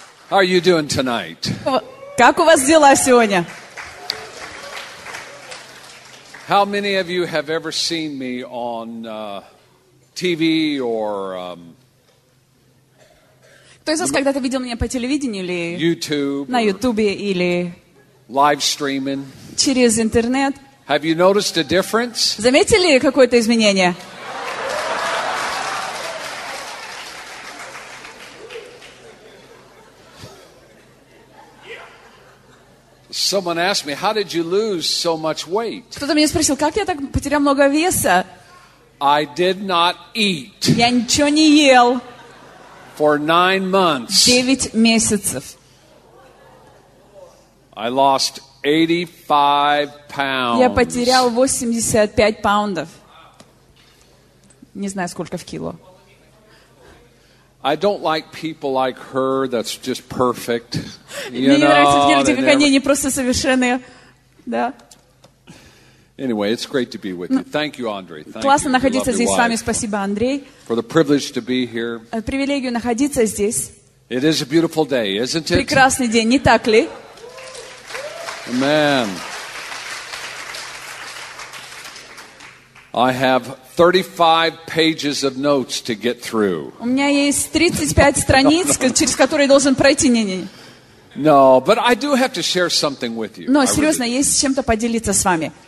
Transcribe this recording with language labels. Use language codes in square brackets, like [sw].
[en] How are you doing tonight? [ru] Как у вас дела сегодня? [en] How many of you have ever seen me on TV or [ru] Кто из вас когда-то видел меня по телевидению или [en] YouTube, [ru] на Ютубе или [en] live streaming? [ru] Через интернет. [en] Have you noticed a difference? [ru] Заметили какое-то изменение? [en] Someone asked me, how did you lose so much weight? [ru] Кто-то меня спросил, как я так потерял много веса? [en] I did not eat. [ru] Я ничего не ел. [en] For 9 months. [ru] 9 месяцев. [en] I lost 85 pounds. [ru] Я потерял 85 паундов. Не знаю, сколько в кило. [en] I don't like people like her that's just perfect. [ru] Мне не нравятся люди, как они, не просто совершенные. Да. [en] Anyway, it's great to be with you. Thank you, Andre. [ru] Классно находиться здесь с вами. Спасибо, Андрей. [en] For the privilege to be here. [ru] Привилегию находиться здесь. [en] It is a beautiful day, isn't it? [ru] Прекрасный день, не так ли? [en] Amen. I have 35 pages of notes to get through. [ru] У меня есть 35 страниц, через которые должен пройти. [en] No, but I do have to share something with you. [ru] Но серьезно, есть чем-то поделиться с вами.